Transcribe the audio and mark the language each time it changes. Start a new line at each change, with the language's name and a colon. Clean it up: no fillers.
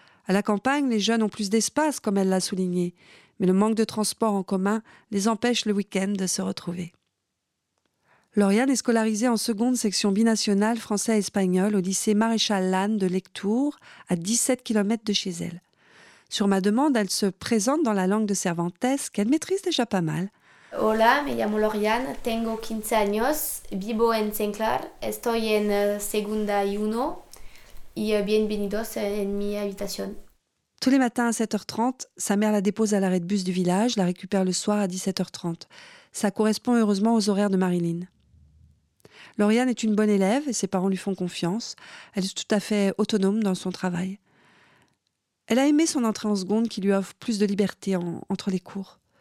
French: À la campagne, les jeunes ont plus d'espace, comme elle l'a souligné, mais le manque de transport en commun les empêche le week-end de se retrouver. Lauriane est scolarisée en seconde section binationale français-espagnol au lycée Maréchal Lannes de Lectour, à 17 km de chez elle. Sur ma demande, elle se présente dans la langue de Cervantes, qu'elle maîtrise déjà pas mal.
Spanish: Hola, me llamo Lauriane, tengo 15 años, vivo en Saint-Clair, estoy en segunda y uno, y bienvenidos en mi habitación.
French: Tous les matins à 7h30, sa mère la dépose à l'arrêt de bus du village, la récupère le soir à 17h30. Ça correspond heureusement aux horaires de Marilyn. Lauriane est une bonne élève et ses parents lui font confiance. Elle est tout à fait autonome dans son travail. Elle a aimé son entrée en seconde qui lui offre plus de liberté entre les cours.